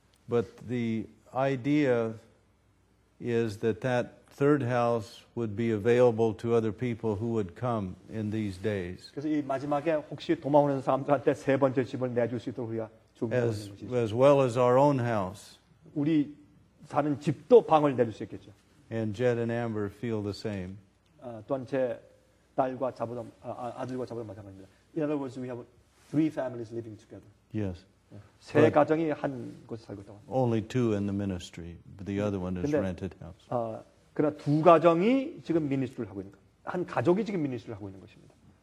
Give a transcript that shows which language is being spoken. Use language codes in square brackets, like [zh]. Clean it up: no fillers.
[en] But the idea is that that third house would be available to other people who would come in these days. [ko] 그래서 이 마지막에 혹시 도망오는 사람들한테 세 번째 집을 내줄 수 있도록 우리가 준비하고 있습니다. [en] As well as our own house. [ko] 우리 사는 집도 방을 내줄 수 있겠죠. [en] And Jed and Amber feel the same. [ko] 또한 제 딸과 자부도 아들과 자부도 마찬가지입니다. [en] In other words, we have three families living together. Yes. [ko] 세 가정이 한 곳에 살고 있다고. [en] Only two in the ministry, but the other one is [ko] 근데, [en] rented house. [ko] 그러나 두 가정이 지금 미니스트리를 하고 있는 것. 한 가족이 지금 미니스트리를 하고 있는 것입니다.